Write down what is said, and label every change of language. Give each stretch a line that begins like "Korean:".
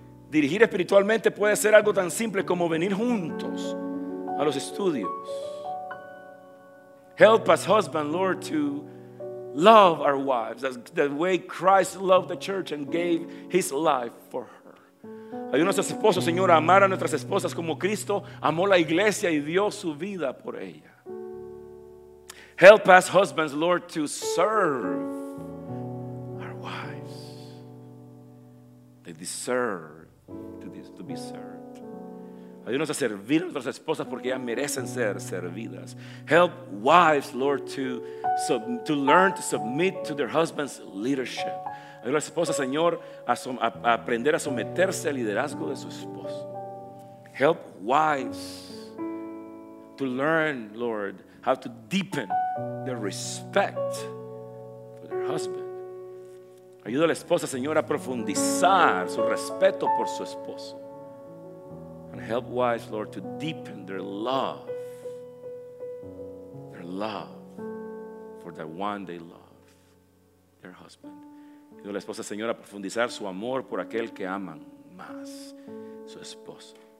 Spanish: Dirigir espiritualmente puede ser algo tan simple como venir juntos a los estudios.
English: Help us, husband, Lord, to love our wives as the way Christ loved the church and gave his life for her.
Spanish: ayudó a nuestros esposos, Señor, a amar a nuestras esposas como Cristo amó la iglesia y dio su vida por ella.
English: Help us, husbands, Lord, to serve our wives. They deserve to be served.
Spanish: Ayúdanos a servir a nuestras esposas porque ellas merecen ser servidas.
English: Help wives, Lord, to learn to submit to their husbands' leadership.
Spanish: Ayúdanos a las esposas, Señor, a aprender a someterse al liderazgo de su esposo.
English: Help wives to learn, Lord, how to deepen their respect for their husband.
Spanish: Ayuda a la esposa, Señor, a profundizar su respeto por su esposo.
English: And help wives, Lord, to deepen their love for the one they love, their husband.
Spanish: Ayuda a la esposa, Señor, a profundizar su amor por aquel que aman más, su esposo.